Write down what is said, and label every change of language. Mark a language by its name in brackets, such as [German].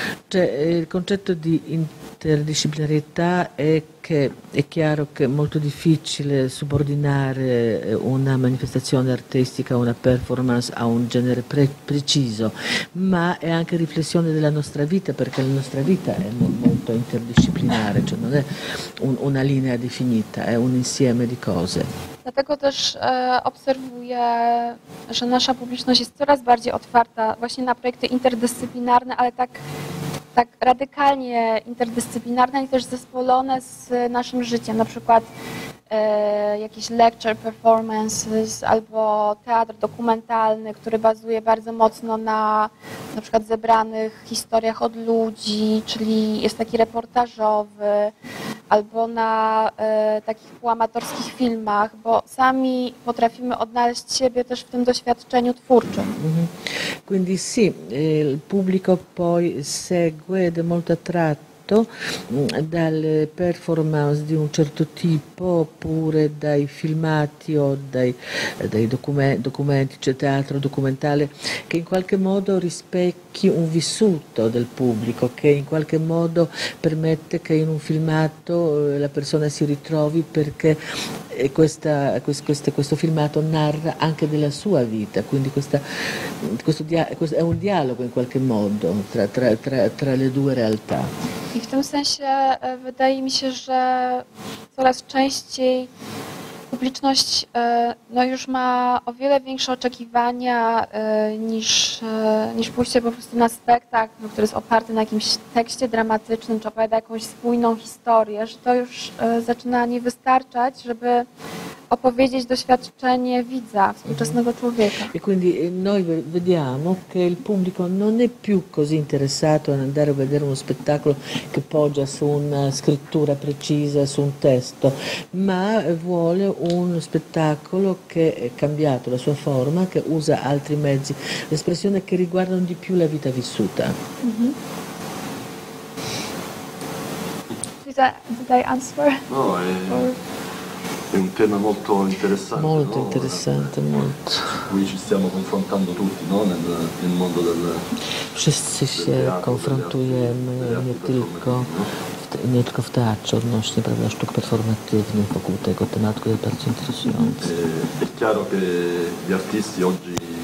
[Italian] Cioè, il concetto di interdisciplinarietà è che è chiaro che è molto difficile subordinare una manifestazione artistica, una performance a un genere preciso, ma è anche riflessione della nostra vita, perché la nostra vita è molto interdisciplinare, cioè non è una linea definita, è un insieme di cose. [Polish] Dlatego też obserwuję, że nasza publiczność jest coraz bardziej otwarta właśnie na projekty interdyscyplinarne, ale tak radykalnie interdyscyplinarne i też zespolone z naszym życiem, na przykład jakieś lecture performances albo teatr dokumentalny, który bazuje bardzo mocno na przykład zebranych historiach od ludzi, czyli jest taki reportażowy, albo na takich półamatorskich filmach, bo sami potrafimy odnaleźć siebie też w tym doświadczeniu twórczym. [Italian] Quindi sì, il pubblico poi segue ed è molto attratto dalle performance di un certo tipo, oppure dai filmati o dai documenti, cioè teatro documentale, che in qualche modo rispecchi un vissuto del pubblico, che in qualche modo permette che in un filmato la persona si ritrovi, perché questo filmato narra anche della sua vita, quindi questo è un dialogo in qualche modo tra le due realtà. [Polish] I w tym sensie wydaje mi się, że coraz częściej publiczność już ma o wiele większe oczekiwania niż pójście po prostu na spektakl, który jest oparty na jakimś tekście dramatycznym, czy opowiada jakąś spójną historię, że to już zaczyna nie wystarczać, żeby opowiedzieć doświadczenie widza, współczesnego człowieka. [Italian] E quindi noi vediamo che il pubblico non è più così interessato ad andare a vedere uno spettacolo che poggia su una scrittura precisa, su un testo, ma vuole uno spettacolo che è cambiato la sua forma, che usa altri mezzi, l'espressione che riguardano di più la vita vissuta. [English] Did I answer? [Italian] No, è un tema molto interessante. Molto interessante, molto. Qui ci stiamo confrontando tutti, no? Nel mondo del. [Polish] Wszyscy się konfrontujemy, nie tylko. Nie tylko w teatrze odnośnie, prawda, sztuk performatywnych wokół tego tematu, który jest bardzo interesujący. [Italian] È chiaro che gli artisti oggi.